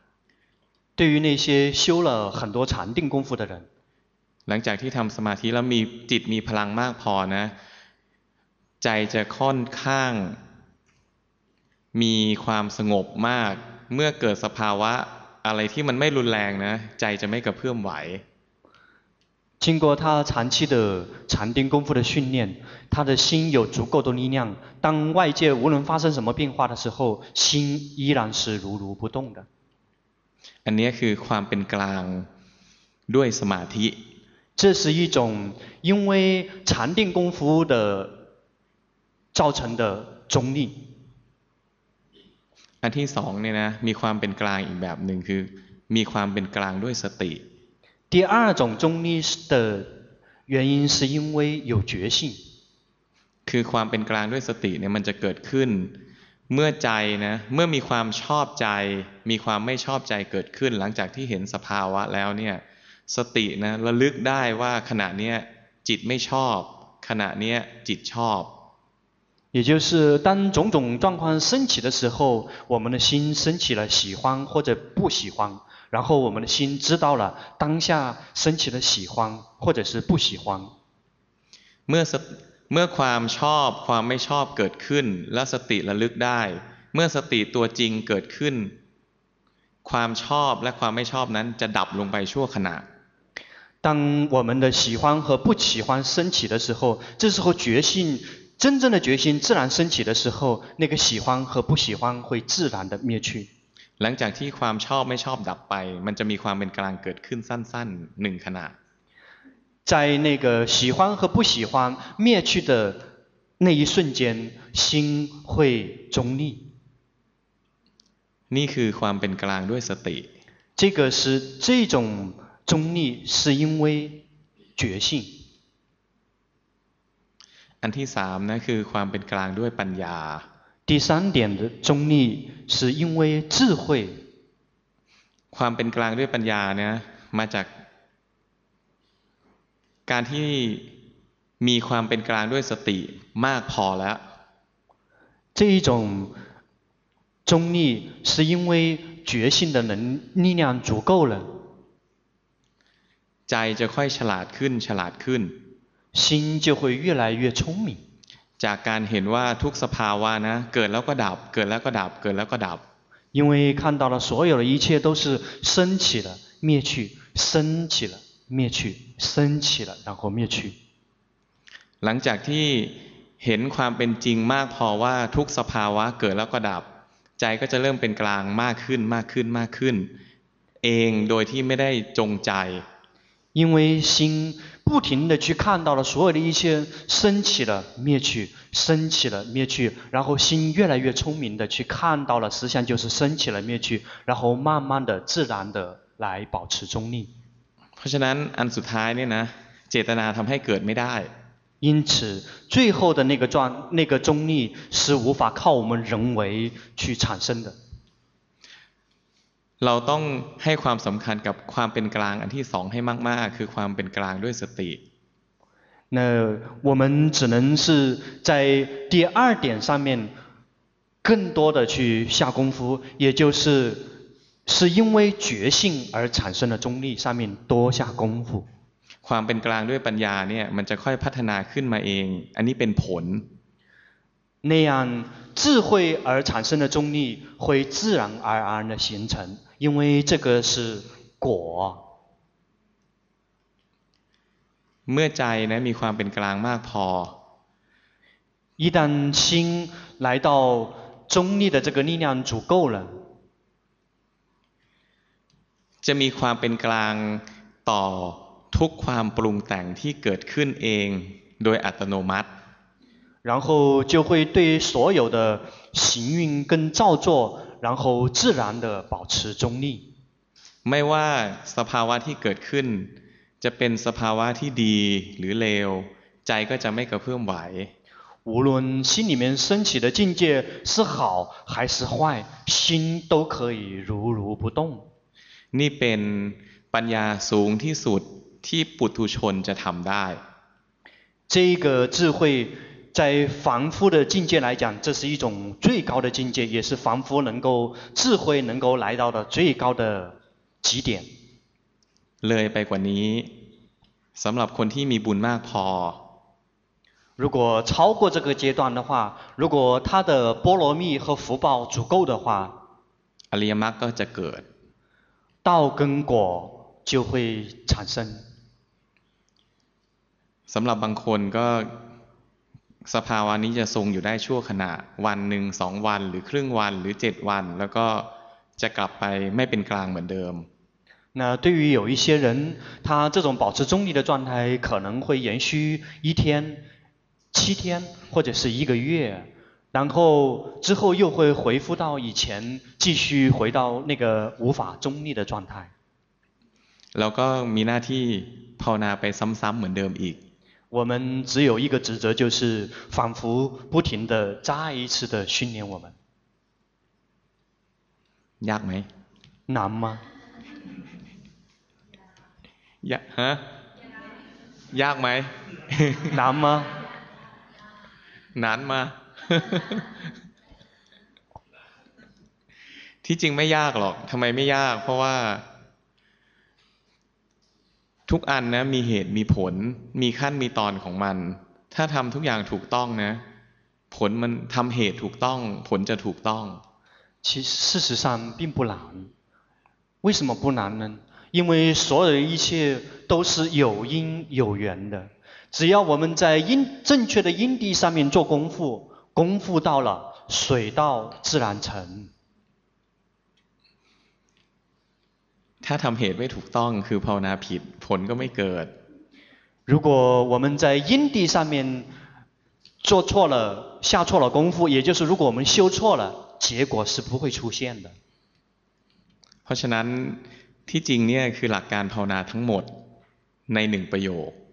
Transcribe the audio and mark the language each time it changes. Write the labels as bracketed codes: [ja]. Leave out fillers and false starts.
[zh] ๆ对于那些修了很多禅定功夫的人 [th] หลังจากที่ทำสมาธิแล้วมีจิตมีพลังมากพอนะใจจะค่อนข้างมีความสงบมากเมื่อเกิดสภาวะอะไรที่มันไม่รุนแรงนะใจจะไม่กระเพื่อมไหว [zh] 经过他长期的禅定功夫的训练他的心有足够的力量当外界无论发生什么变化的时候心依然是如如不动的 [th] อันนี้คือความเป็นกลางด้วยสมาธิ [zh] 这是一种因为禅定功夫的造成的中立 [th] อันที่สองเนี่ยนะมีความเป็นกลางอีกแบบนึงคือมีความเป็นกลางด้วยสติ [zh] 第二种中立的原因是因为有觉性 [th] คือความเป็นกลางด้วยสติเนี่ยมันจะเกิดขึ้นเมื่อใจนะเมื่อมีความชอบใจมีความไม่ชอบใจเกิดขึ้นหลังจากที่เห็นสภาวะแล้วเนี่ยสตินะระลึกได้ว่าขณะเนี้ยจิตไม่ชอบขณะเนี้ยจิตชอบ [zh] 也就是当种种状况升起的时候我们的心升起了喜欢或者不喜欢然后我们的心知道了当下升起了喜欢或者是不喜欢 [th] เมื่อความชอบความไม่ชอบเกิดขึ้นและสติระลึกได้เมื่อสติตัวจริงเกิดขึ้นความชอบและความไม่ชอบนั้นจะดับลงไปชั่วขณะ [zh] 当我们的喜欢和不喜欢升起的时候这时候觉性真正的决心自然升起的时候那个喜欢和不喜欢会自然的灭去 [th] หลังจากที่ความชอบไม่ชอบดับไปมันจะมีความเป็นกลางเกิดขึ้นสั้นๆหนึ่งขณะ [zh] 在那个喜欢和不喜欢灭去的那一瞬间心会中立 [th] นี่คือความเป็นกลางด้วยสติ [zh] 这个是这种中立是因为觉性 [th] อันที่สามนะคือความเป็นกลางด้วยปัญญา [zh] 第三点的中立是因为智慧 [th] ความเป็นกลางด้วยปัญญาเนี่ยมาจากการที่มีความเป็นกลางด้วยสติมากพอแล้ว [zh] 这一种中立是因为觉性的能力量足够了 [th] ใจจะค่อยฉลาดขึ้นฉลาดขึ้น [zh] 心就会越来越聪明 [th] จากการเห็นว่าทุกสภาวะนะเกิดแล้วก็ดับเกิดแล้วก็ดับเกิดแล้วก็ดับ [zh] 因为看到了所有的一切都是升起了灭去升起了灭去升起了然后灭去 [th] หลังจากที่เห็นความเป็นจริงมากพอว่าทุกสภาวะเกิดแล้วก็ดับใจก็จะเริ่มเป็นกลางมากขึ้นมากขึ้นมากขึ้นเองโดยที่ไม่ได้จงใจ [zh] 因为心不停地去看到了所有的一切升起了灭去升起了灭去然后心越来越聪明地去看到了实相就是升起了灭去然后慢慢地自然地来保持中立 [th] เพราะฉะนั้นอันสุดท้ายเนี่ยนะเจตนาทำให้เกิดไม่ได้ [zh] 因此最后的那个中立是无法靠我们人为去产生的 [th] เราต้องให้ความสำคัญกับความเป็นกลางอันที่สองให้มากๆคือความเป็นกลางด้วยสติ [zh] 那我们只能是在第二点上面更多的去下功夫也就是是因为觉性而产生的中立上面多下功夫 [th] ความเป็นกลางด้วยปัญญาเนี่ยมันจะค่อยพัฒนาขึ้นมาเองอันนี้เป็นผล [zh] 那样智慧而产生的中立会自然而然的形成因为这个是果 [th] เมื่อใจนะมีความเป็นกลางมากพอ [zh] 一旦心来到中立的这个力量足够了 [th] จะมีความเป็นกลางต่อทุกความปรุงแต่งที่เกิดขึ้นเองโดยอัตโนมัติ [zh] 然后就会对所有的行运跟造作然后自然地保持中立 [th] ไม่ว่าสภาวะที่เกิดขึ้นจะเป็นสภาวะที่ดีหรือเลวใจก็จะไม่กระเพื่อมไหว [zh] 无论心里面升起的境界是好还是坏，心都可以如如不动。 [th] นี่เป็นปัญญาสูงที่สุดที่ปุถุชนจะทำได้ [zh] 这个智慧在凡夫的境界来讲，这是一种最高的境界，也是凡夫能够智慧能够来到的最高的极点。 [th] เลยไปกว่านี้สำหรับคนที่มีบุญมากพ [zh] อ如果超过这个阶段的话，如果他的波罗蜜和福报足够的话， [th] อริยมรรคก็จะเกิด [zh] 道根果就会产生。 [th] สำหรับบางคนก็สภาวะนี้จะทรงอยู่ได้ชั่วขณะวันหนึ่งสองวันหรือครึ่งวันหรือเจ็ดวันแล้วก็จะกลับไปไม่เป็นกลางเหมือนเดิม [zh] 那对于有一些人，他这种保持中立的状态可能会延续一天、七天或者是一个月，然后之后又会恢复到以前，继续回到那个无法中立的状态。 [th] แล้วก็มีหน้าที่ภาวนาไปซ้ำๆเหมือนเดิมอีก。 [zh] 我们只有一个职责，就是仿佛不停地再一次的训练我们。 [th] ยากไ [zh] หม？ 难吗？ [th] ยากฮะยากไหม นานมาน านมาที่จริงไม่ยากหรอกทำไมไม่ยากเพราะว่าทุกอันนะมีเหตุมีผลมีขั้นมีตอนของมันถ้าทำทุกอย่างถูกต้องนะผลมันทำเหตุถูกต้องผลจะถูกต้อง [zh] 事实上并不难为什么不难呢因为所有的一切都是有因有缘的只要我们在因正确的因地上面做功夫功夫到了水到自然成 [th] ถ้าทำเหตุไม่ถูกต้องคือภาวนาผิดผลก็ไม่เกิด [zh] 如果我们在因地上面做错了下错了功夫也就是如果我们修错了结果是不会出现的 [th] เพราะฉะนั้นที่จริงเนี่ยคือหลักการภาวนาทั้งหมดในหนึ่งประโยค